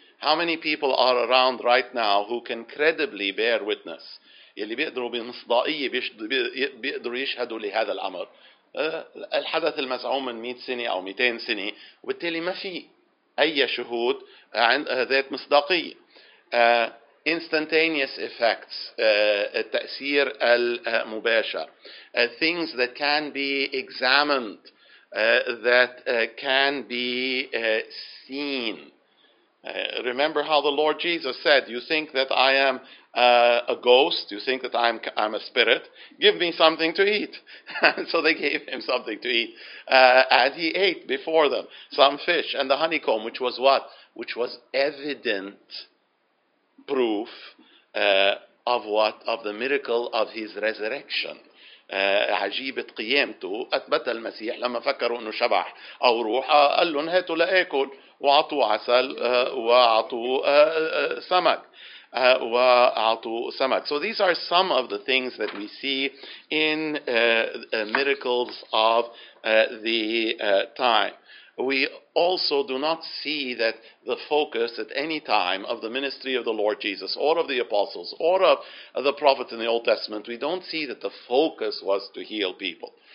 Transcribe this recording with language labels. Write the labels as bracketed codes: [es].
[en] How many people are around right now who can credibly bear witness? [ar] يلي بيقدروا بمصداقية بيقدروا يشهدوا لهذا الأمر. الحدث المزعوم من 100 سنة أو 200 سنة. وبالتالي ما في أي شهود ذات مصداقية. [en] Instantaneous effects. [ar] التأثير المباشر. [en] Things that can be examined. that can be seen. Remember how the Lord Jesus said, you think that I am a ghost, you think that I'm a spirit, give me something to eat. So they gave him something to eat, and he ate before them some fish and the honeycomb, which was what? Which was evident proof of what? Of the miracle of his resurrection. [ar] عجيبة قيامته أثبت المسيح لما فكروا أنه شبع أو روح قال لهم هاتوا لأكل وعطوا عسل وعطوا سمك وعطوا سمك. [en] So these are some of the things that we see in miracles of the time. We also do not see that the focus at any time of the ministry of the Lord Jesus or of the apostles or of the prophets in the Old Testament, we don't see that the focus was to heal people.